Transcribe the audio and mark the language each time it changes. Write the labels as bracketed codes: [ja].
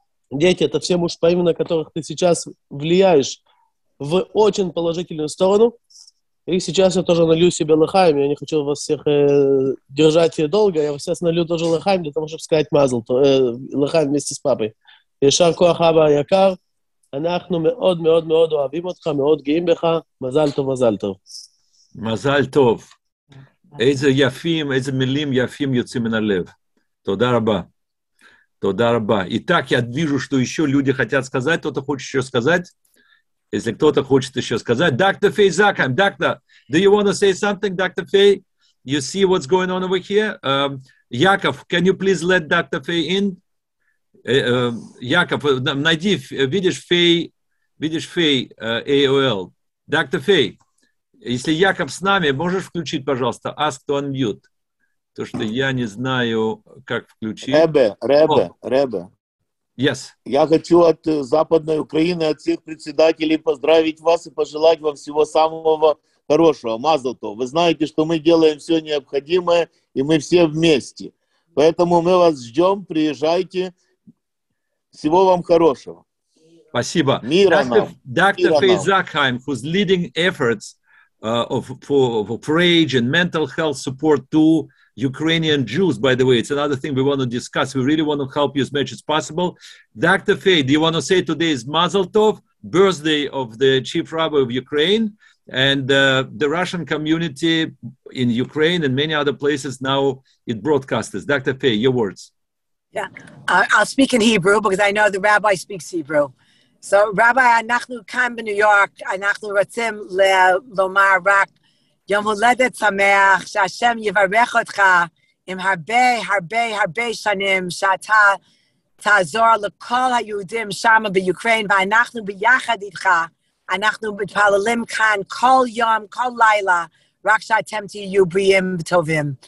[ru] Дети, это все мушпаим, на которых ты сейчас влияешь в очень положительную сторону. И сейчас я тоже налью себе лахаем. Я не хочу вас всех держать долго. Я сейчас налью тоже лахаем, для того, чтобы сказать мазл, лахаем вместе с папой. [he] Ишар коах аба якар. אנחנו מאוד מאוד מאוד אוהבים אותך, מאוד גאים בך. מזל טוב, מזל טוב. מזל טוב. איזה יפים, איזה מילים יפים יוצאים מן הלב. תודה רבה. תודה רבה. [ru] Итак, я вижу, что еще люди хотят сказать. Кто-то хочет еще сказать? Если кто-то хочет еще сказать. [en] Доктор Фей Закхайм. Доктор, do you want to say something, Доктор Фей? You see what's going on over here? Яков, can you please let Доктор Фей in? [ru] Яков, найди, видишь Фей, AOL. Доктор Фей, если Яков с нами, можешь включить, пожалуйста, [en] ask to unmute. [ru] То, что я не знаю, как включить. Ребе. [en] Yes. [ru] Я хочу от Западной Украины, от всех председателей поздравить вас и пожелать вам всего самого хорошего. Мазл тов. Вы знаете, что мы делаем все необходимое, и мы все вместе. Поэтому мы вас ждем, приезжайте. Всего вам хорошего. Спасибо. Мира нам. [en] Доктор Фей Закхайм, who's leading efforts for age and mental health support to Ukrainian Jews, by the way. It's another thing we want to discuss. We really want to help you as much as possible. Доктор Фей, do you want to say today is Mazel Tov, birthday of the Chief Rabbi of Ukraine, and the Russian community in Ukraine and many other places now it broadcasts. Доктор Фей, your words. Yeah, I'll speak in Hebrew because I know the rabbi speaks Hebrew. [he] So, Rabbi, אנחנו כאן בניו יורק, אנחנו רוצים לומר רק יום הולדת שמח, שהשם יברך אותך עם הרבה, הרבה, הרבה שנים, שאתה תעזור לכל היהודים שם ביוקרין, ואנחנו ביחד איתך, אנחנו מתפללים כאן כל יום, כל לילה, רק שאתם תהיו בריאים וטובים.